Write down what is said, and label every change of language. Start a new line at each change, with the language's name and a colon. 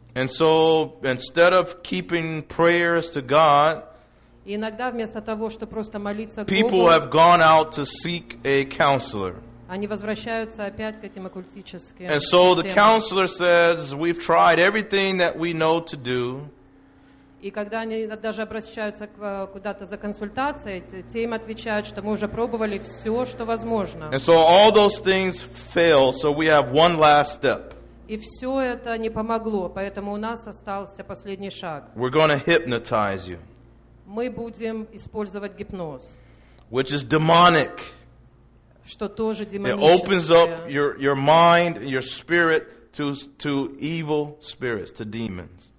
English: And so instead of keeping prayers to God,
Russian: и иногда вместо того, что просто молиться Богу,
English: people have gone out to seek a counselor.
Russian: Они возвращаются опять к этим оккультическим.
English: And so the counselor says, we've tried everything that we know to do.
Russian: И когда они даже обращаются куда-то за консультацией, те им отвечают, что мы уже пробовали все, что возможно.
English: And so all those things fail, so we have one last step.
Russian: И все это не помогло, поэтому у нас остался последний шаг.
English: We're going to hypnotize you.
Russian: Мы будем использовать гипноз.
English: Which is demonic.
Russian: Что тоже демоническое.
English: It opens up your mind, your spirit to evil spirits, to demons.